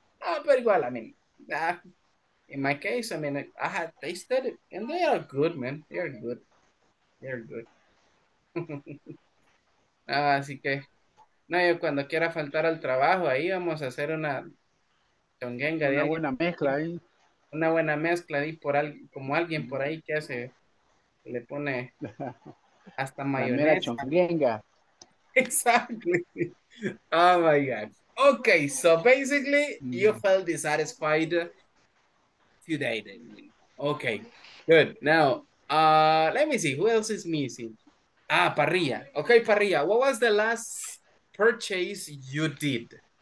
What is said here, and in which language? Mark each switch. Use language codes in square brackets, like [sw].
[en] Ah, but igual, I mean, in my case, I mean, I had tasted it, and they are good, man. They are good. [es] así que, no, yo cuando quiera faltar al trabajo, ahí vamos a hacer una chonguenga. Una buena mezcla ahí. Una buena mezcla ahí, por como alguien por ahí que hace, que le pone hasta mayonesa. La mera chonguenga. [en] Exactly. Oh, my God. Okay, so basically, you felt dissatisfied today, then. Okay, good. Now, let me see. Who else is missing? Ah, Parrilla. Okay, Parrilla. What was the last purchase you did?